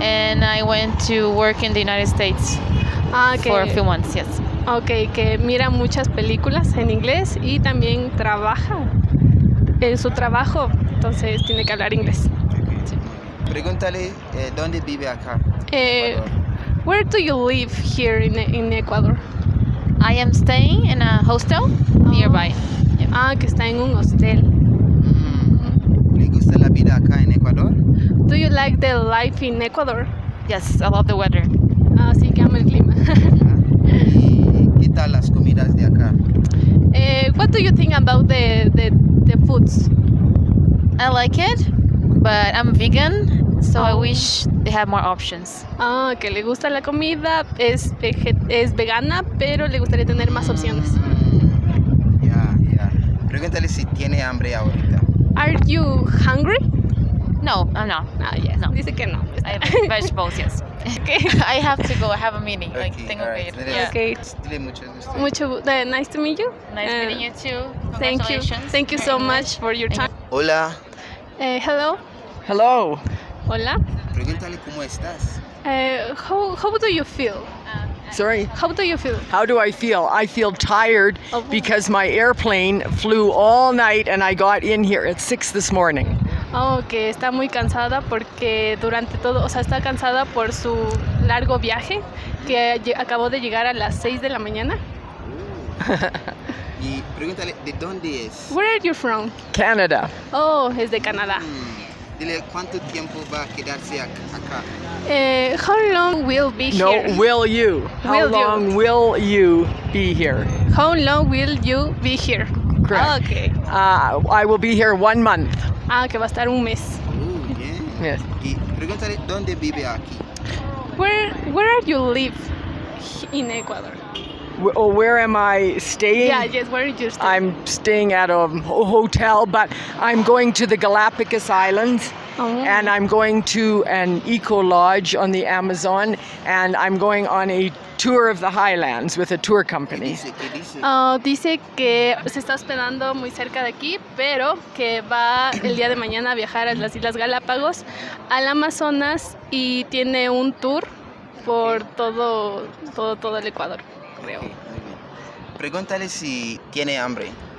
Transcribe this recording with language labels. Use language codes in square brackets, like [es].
[en] And I went to work in the United States. Ah, okay. For a few months, yes. [es] Okay, que mira muchas películas en inglés y también trabaja en su trabajo, entonces tiene que hablar inglés. Pregúntale dónde vive acá. [en] Where do you live here in Ecuador? I am staying in a hostel nearby. [es] Yep. Ah, que está en un hostel. ¿Le gusta la vida acá en Ecuador? [en] Do you like the life in Ecuador? Yes, I love the weather. [es] Ah, sí, que amo el clima. ¿Y qué tal las comidas de acá? [en] What do you think about the foods? I like it. But I'm vegan, so I wish they had more options. [es] Ah, que le gusta la comida, es vegana, pero le gustaría tener más opciones. Yeah. Pregúntale si tiene hambre ahorita. [en] Are you hungry? No, I'm not. [es] No. Dice que no. [en] I have vegetables, yes. Okay. I have to go, I have a meeting. Okay, [es] like, tengo que ir. Okay. Dile mucho gusto. Mucho gusto. [en] Nice to meet you. Nice meeting you too. Congratulations. Thank you. Thank you so much for your time. [es] Hola. [en] Hello. Hello. [es] Hola. Pregúntale cómo estás. [en] How do you feel? Sorry. How do you feel? How do I feel? I feel tired because my airplane flew all night and I got in here at 6 this morning. [es] Oh, que está muy cansada porque durante todo, o sea, está cansada por su largo viaje que acabó de llegar a las 6 de la mañana. Y pregúntale, ¿de dónde es? [en] Where are you from? Canada. [es] Oh, es de Canadá. Dile, ¿cuánto tiempo va a quedarse acá? [en] How long will be here? No, will you. Will how long you? Will you be here? How long will you be here? Correct. Oh, okay. I will be here 1 month. [es] Ah, que va a estar un mes. [en] Oh, yeah. Yes. [es] Y pregúntale, ¿dónde vive aquí? [en] Where are you live in Ecuador? Where am I staying? Yeah, yes, where are you staying? I'm staying at a hotel, but I'm going to the Galapagos Islands. Oh. And I'm going to an eco lodge on the Amazon, and I'm going on a tour of the highlands with a tour company. [es] Dice que se está hospedando muy cerca de aquí, pero que va el día de mañana a viajar a las Islas Galápagos, al Amazonas, y tiene un tour por todo el Ecuador. Okay. Pregúntale si tiene hambre.